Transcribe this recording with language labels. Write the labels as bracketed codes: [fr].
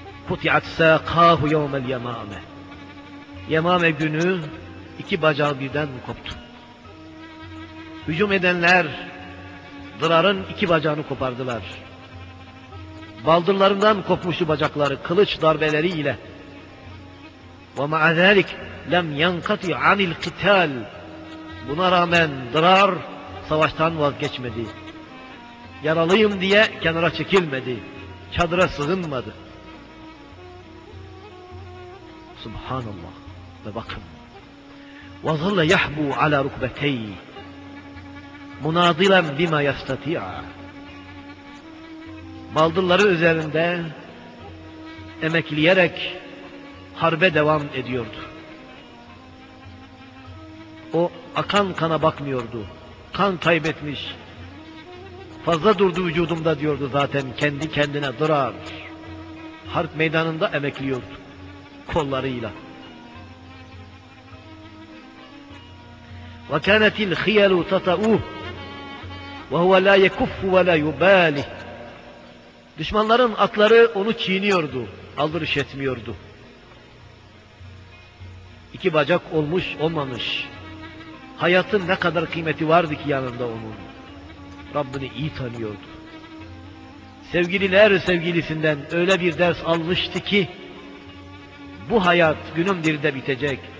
[ar] قُطِعَتْ سَاقَاهُ يَوْمَ الْيَمَامَةِ [tr] Yemame günü iki bacağı birden koptu. Hücum edenler dırarın iki bacağını kopardılar. Baldırlarından kopmuştu bacakları kılıç darbeleriyle. [ar] وَمَعَ ذَٰلِكَ لَمْ يَنْقَطِعْ عَنِ الْقِتَالِ [tr] Buna rağmen dırar savaştan vazgeçmedi. Yaralıyım diye kenara çekilmedi. Çadıra sığınmadı. Subhanallah. Ve bakın. [ar] وَظَلَّ يَحْبُوا عَلَى رُكْبَتَيْهِ مُنَادِلًا بِمَا يَسْتَطِعَ [tr] Baldırları üzerinde emekleyerek harbe devam ediyordu. O akan kana bakmıyordu. Kan kaybetmiş. Fazla durdu vücudumda diyordu zaten kendi kendine durar. Harp meydanında emekliyordu kollarıyla. [ar] وَكَانَتِ الْخِيَلُ تَتَعُوهُ وَهُوَ لَا يَكُفُّ وَلَا يُبَالِهُ [tr] Düşmanların atları onu çiğniyordu, aldırış etmiyordu. İki bacak olmuş, olmamış. Hayatın ne kadar kıymeti vardı ki yanında onun. Rabbini iyi tanıyordu. Sevgililer sevgilisinden öyle bir ders almıştı ki, bu hayat günün birinde bitecek.